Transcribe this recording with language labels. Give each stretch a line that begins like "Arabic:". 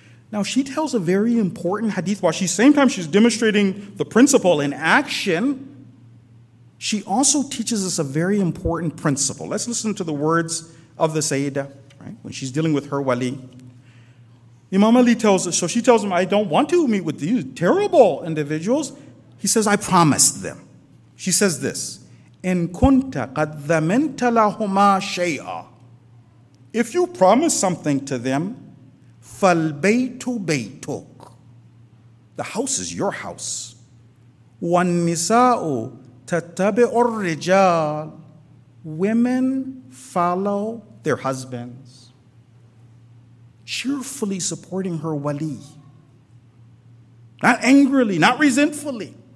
English: Now she tells a very important hadith while she's same time she's demonstrating the principle in action. She also teaches us a very important principle. Let's listen to the words of the Sayyida, right? When she's dealing with her wali. Imam Ali tells us, so she tells him, I don't want to meet with these terrible individuals. He says, I promised them. She says this,
Arabic: إِن كُنْتَ قَدْ ذَمِنْتَ لَهُمَا شَيْئًا.
English: If you promise something to them,
Arabic: فَالْبَيْتُ بَيْتُكَ.
English: The house is your house.
Arabic: وَالنِّسَاءُ تَتَّبِعُ الرِّجَالِ.
English: Women follow their husbands, cheerfully supporting her wali, not angrily, not resentfully.